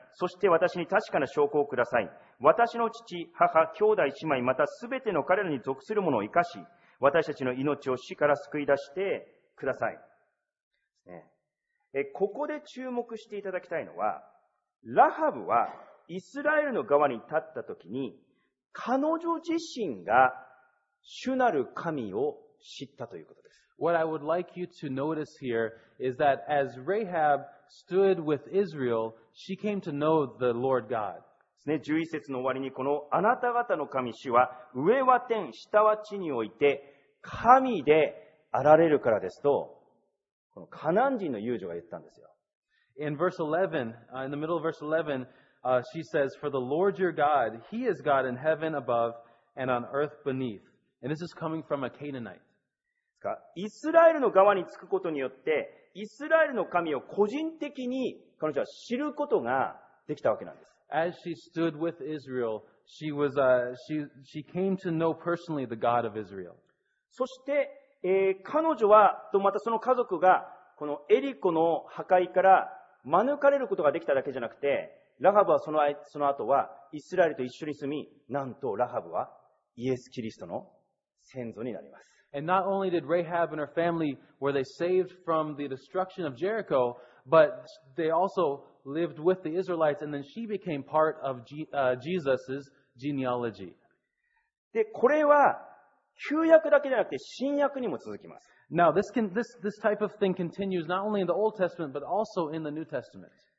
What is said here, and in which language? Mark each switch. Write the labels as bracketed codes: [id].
[ja] そして私に確かな証拠をください。私の父、母、兄弟、姉妹、またすべての彼らに属するものを生かし、私たちの命を死から救い出してください。ここで注目していただきたいのは、ラハブはイスラエルの側に立ったときに、彼女自身が主なる神を知ったということです。 [en] What I would like you to notice here is that as Rahab stood with Israel, she came to know the Lord God. [ja] 11節の終わりにこのあなた方の神主は上は天、下は地において神であられるからですと、このカナン人の遊女が言ったんですよ。 [en] In verse 11, in the middle of verse 11, she says, For the Lord your God, He is God in heaven above and on earth beneath. And this is coming from a Canaanite. [ja] イスラエルの側につくことによって、イスラエルの神を個人的に彼女は知ることができたわけなんです。 [en] As she stood with Israel, she was, she came to know personally the God of Israel. [ja] そして、彼女は、とまたその家族が、このエリコの破壊から免れることができただけじゃなくて、ラハブはその後はイスラエルと一緒に住み、なんとラハブはイエス・キリストの先祖になります。 [en] And not only did Rahab and her family were they saved from the destruction of Jericho, but they also lived with the Israelites, and then she became part of Jesus' genealogy. [ja] で、これは旧約だけじゃなくて新約にも続きます。 [en] Now this type of thing continues not only in the Old Testament but also in the New Testament.